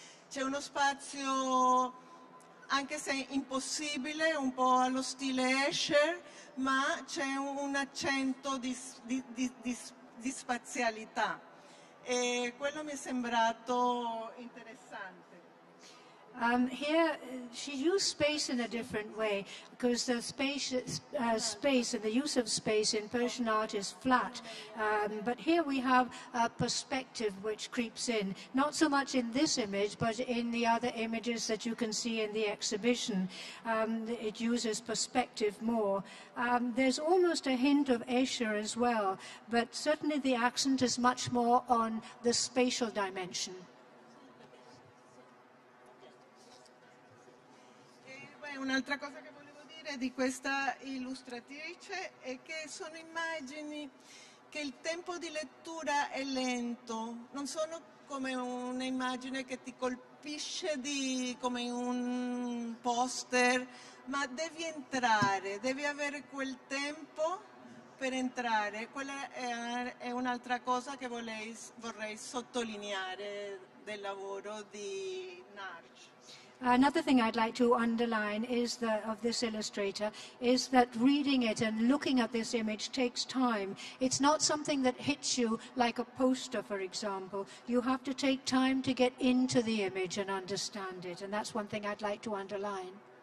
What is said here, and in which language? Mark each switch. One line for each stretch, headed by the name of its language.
Italian: C'è uno spazio, anche se impossibile, un po' allo stile Escher, ma c'è un accento di spazialità. E quello mi è sembrato interessante.
English: Here, she used space in a different way, because the space and the use of space in Persian art is flat. But here we have a perspective which creeps in, not so much in this image, but in the other images that you can see in the exhibition. It uses perspective more. There's almost a hint of Escher as well, but certainly the accent is much more on the spatial dimension.
Italian: Un'altra cosa che volevo dire di questa illustratrice è che sono immagini che il tempo di lettura è lento, non sono come un'immagine che ti colpisce come un poster, ma devi entrare, devi avere quel tempo per entrare. Quella è un'altra cosa che vorrei sottolineare del lavoro di Narj.
English: Another thing I'd like to underline is of this illustrator is that reading it and looking at this image takes time. It's not something that hits you like a poster, for example. You have to take time to get into the image and understand it, and that's one thing I'd like to underline.